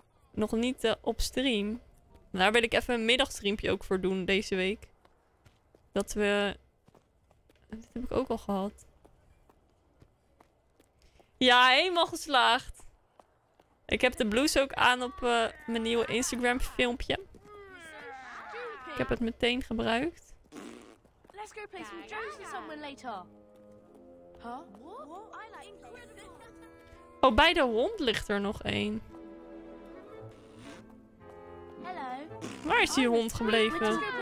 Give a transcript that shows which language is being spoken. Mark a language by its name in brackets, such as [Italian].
[Dutch] nog niet op stream. Daar wil ik even een middagstreampje ook voor doen deze week. Dat we... Dit heb ik ook al gehad. Ja, helemaal geslaagd. Ik heb de blouse ook aan op mijn nieuwe Instagram filmpje. Ik heb het meteen gebruikt. [English] Let's go play some jokes with someone later. Huh? [Dutch] Oh, bij de hond ligt er nog één. Waar is die hond gebleven?